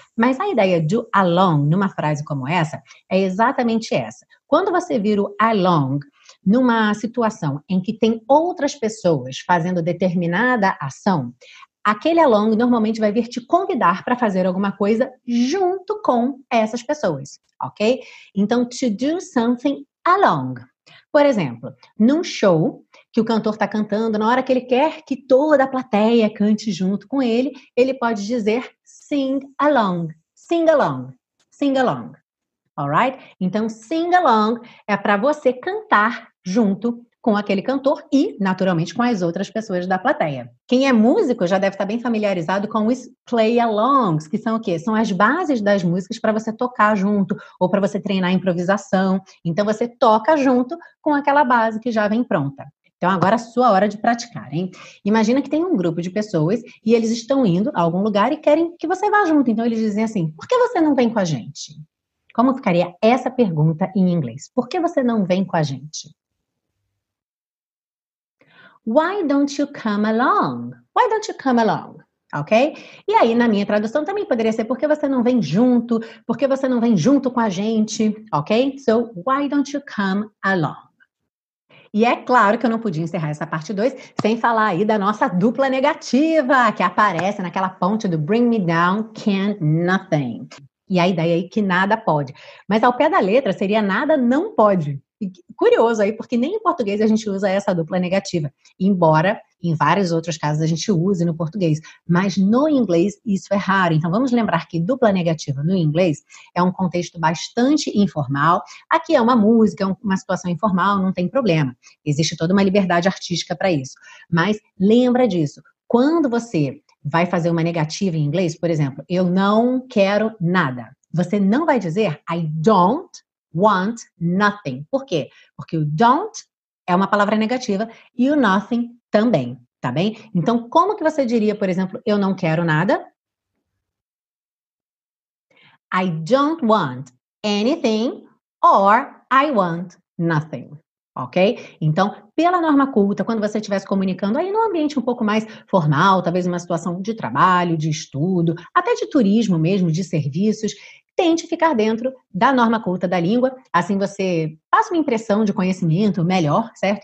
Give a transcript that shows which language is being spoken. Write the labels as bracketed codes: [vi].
[pt] Mas a ideia do along numa frase como essa é exatamente essa. Quando você vira o along numa situação em que tem outras pessoas fazendo determinada ação, aquele along normalmente vai vir te convidar para fazer alguma coisa junto com essas pessoas, ok? Então, [en] to do something along. [pt] Por exemplo, num show que o cantor está cantando, na hora que ele quer que toda a plateia cante junto com ele, ele pode dizer [en] sing along, sing along, sing along. Alright? [pt] Então, sing along é para você cantar junto com aquele cantor e, naturalmente, com as outras pessoas da plateia. Quem é músico já deve estar bem familiarizado com os play-alongs, que são o quê? São as bases das músicas para você tocar junto ou para você treinar improvisação. Então, você toca junto com aquela base que já vem pronta. Então, agora é a sua hora de praticar, hein? Imagina que tem um grupo de pessoas e eles estão indo a algum lugar e querem que você vá junto. Então, eles dizem assim, por que você não vem com a gente? Como ficaria essa pergunta em inglês? Por que você não vem com a gente? [en] Why don't you come along? Why don't you come along? Ok? [pt] E aí, na minha tradução, também poderia ser por que você não vem junto? Por que você não vem junto com a gente? [en] Ok? So, why don't you come along? [pt] E é claro que eu não podia encerrar essa parte 2 sem falar aí da nossa dupla negativa que aparece naquela ponte do bring me down, can nothing. E a ideia aí que nada pode. Mas ao pé da letra seria nada não pode. E curioso aí, porque nem em português a gente usa essa dupla negativa. Embora em vários outros casos a gente use no português. Mas no inglês isso é raro. Então vamos lembrar que dupla negativa no inglês é um contexto bastante informal. Aqui é uma música, uma situação informal, não tem problema. Existe toda uma liberdade artística para isso. Mas lembra disso. Quando você vai fazer uma negativa em inglês, por exemplo, eu não quero nada. Você não vai dizer [en] I don't want nothing. [pt] Por quê? Porque o don't é uma palavra negativa e o nothing também, tá bem? Então, como que você diria, por exemplo, eu não quero nada? [en] I don't want anything or I want nothing. Ok? [pt] Então, pela norma culta, quando você estiver se comunicando aí num ambiente um pouco mais formal, talvez uma situação de trabalho, de estudo, até de turismo mesmo, de serviços, tente ficar dentro da norma culta da língua, assim você passa uma impressão de conhecimento melhor, certo?